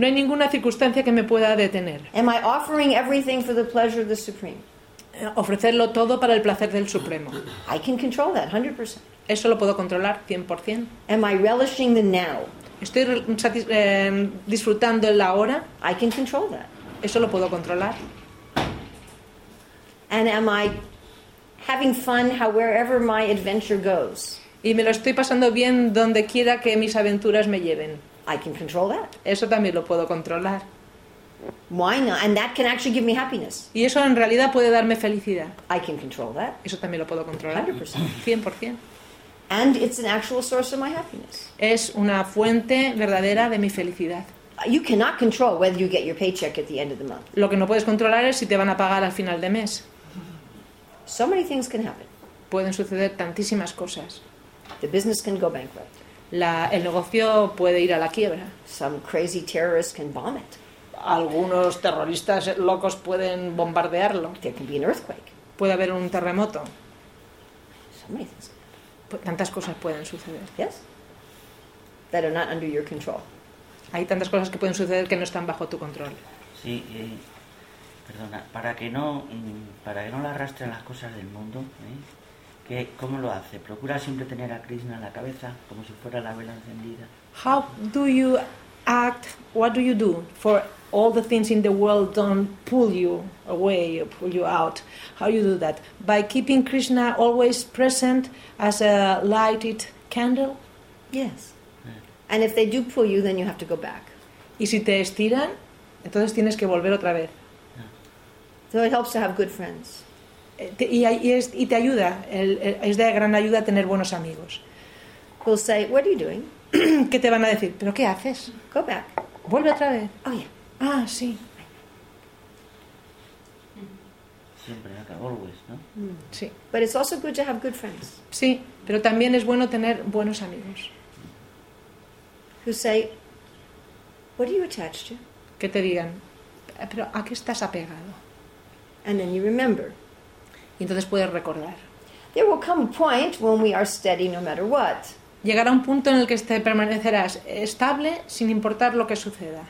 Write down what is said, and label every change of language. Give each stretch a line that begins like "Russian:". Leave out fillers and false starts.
Spanish: No hay ninguna circunstancia que me pueda detener.
English: Am I offering everything for the pleasure of the supreme?
Spanish: Ofrecerlo todo para el placer del Supremo.
English: I can control that 100%.
Spanish: Eso lo puedo controlar 100%.
English: Am I relishing the now?
Spanish: Estoy disfrutando el ahora.
English: I can control that.
Spanish: Eso lo puedo controlar.
English: And am I having fun wherever my adventure goes?
Spanish: Y me lo estoy pasando bien donde quiera que mis aventuras me lleven.
English: I can control that.
Spanish: Eso también lo puedo controlar.
English: Why not? And that can actually give me happiness.
Spanish: Y eso en realidad puede darme felicidad.
English: I can control that.
Spanish: Eso también lo puedo controlar.
English: 100%. And it's an actual source of my happiness.
Spanish: Es una fuente verdadera de mi felicidad.
English: You cannot control whether you get your paycheck at the end of the month.
Spanish: Lo que no puedes controlar es si te van a pagar al final de mes.
English: So many things can happen.
Spanish: Pueden suceder tantísimas cosas.
English: The business can go bankrupt.
Spanish: El negocio puede ir a la quiebra.
English: Some crazy terrorist can vomit.
Spanish: Algunos terroristas locos pueden bombardearlo.
English: There can be an earthquake.
Spanish: Puede haber un terremoto.
English: So many things.
Spanish: Tantas cosas pueden suceder.
English: Yes. That are not under your control.
Spanish: Hay tantas cosas que pueden suceder que no están bajo tu control. Sí. Perdona. Para que no lo arrastren las cosas del mundo. ¿Cómo lo hace? Procura siempre tener a Krishna en la cabeza, como si fuera la vela encendida.
English: How do you act? What do you do for all the things in the world don't pull you away or pull you out. How you do that? By keeping Krishna always present as a lighted candle? Yes. And if they do pull you, then you have to go back.
Spanish: Y si te estiran, entonces tienes que volver otra vez.
English: So it helps to have good friends.
Spanish: Y te ayuda, es de gran ayuda tener buenos amigos.
English: We'll say, what are you doing?
Spanish: ¿Qué te van a decir? ¿Pero qué haces?
English: Go back.
Spanish: Vuelve otra vez.
English: Oh, yeah.
Spanish: Ah, sí. Siempre, acá,
English: always,
Spanish: ¿no? Sí.
English: But it's also good to have good friends.
Spanish: Sí, pero también es bueno tener buenos amigos.
English: Who say, what are you attached to?
Spanish: Que te digan, ¿pero a qué estás apegado?
English: And then you remember.
Spanish: Y entonces puedes recordar.
English: There will come a point when we are steady no matter what.
Spanish: Llegará un punto en el que te permanecerás estable sin importar lo que suceda.